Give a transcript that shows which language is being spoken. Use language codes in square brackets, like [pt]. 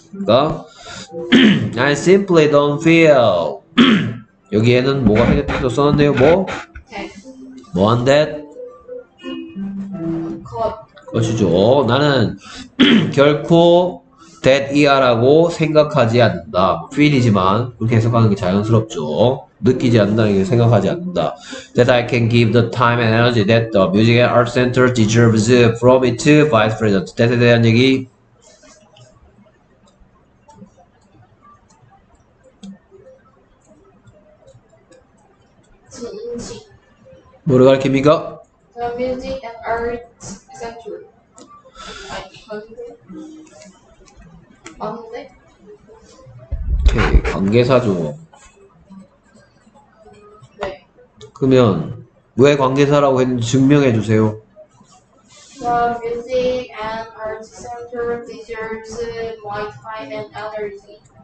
[ko] 그러니까 I simply don't feel 여기에는 뭐가 해제돼서 써놨네요. 뭐? 뭐 on that? 것이죠. 나는 결코 that 이하라고 생각하지 않는다. feel이지만 그렇게 해석하는 게 자연스럽죠. 느끼지 않는다, 이게 생각하지 않는다. [en] That I can give the time and energy that the Music and Arts Center deserves from it to Vice President. [ko] That에 대한 얘기. 인식. 뭐를 가르칩니까? [en] The Music and Arts Center. [ko] 아니, 관계. 맞는데? 오케이, 관계사죠. 그러면 왜 관계사라고 했는지 증명해 주세요. [en] The Music and Arts Center deserves my time and energy.